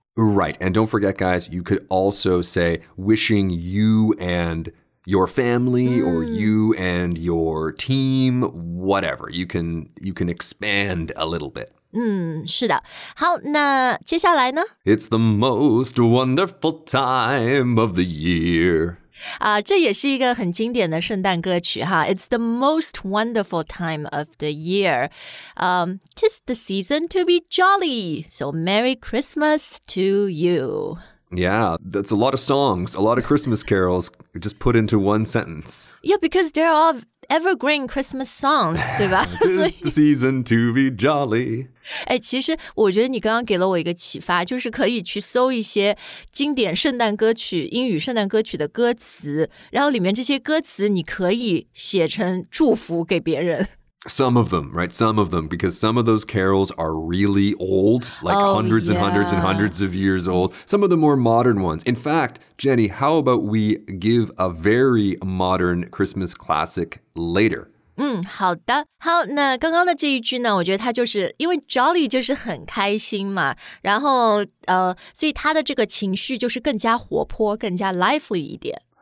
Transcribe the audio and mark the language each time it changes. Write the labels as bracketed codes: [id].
[en] Right, and don't forget, guys, you could also say wishing you and your family or you and your team, whatever. You can expand a little bit. [zh] 是的。好，那接下来呢？ [en] It's the most wonderful time of the year. [zh] 这也是一个很经典的圣诞歌曲哈。 [en] It's the most wonderful time of the year. Tis the season to be jolly. So Merry Christmas to you. Yeah, that's a lot of songs, a lot of Christmas carols just put into one sentence. Yeah, because they're all evergreen Christmas songs, [zh] 对吧 [en] ?Tis the season to be jolly. [zh] 哎，其实我觉得你刚刚给了我一个启发，就是可以去搜一些经典圣诞歌曲，英语圣诞歌曲的歌词，然后里面这些歌词你可以写成祝福给别人。 [en] Some of them, right? Some of them, because some of those carols are really old, like hundreds and hundreds and hundreds of years old. Some of the more modern ones. In fact, Jenny, how about we give a very modern Christmas classic later? [zh] 嗯，好的。好，那刚刚的这一句呢，我觉得它就是因为 jolly 就是很开心嘛，然后所以他的这个情绪就是更加活泼，更加 lively 一点。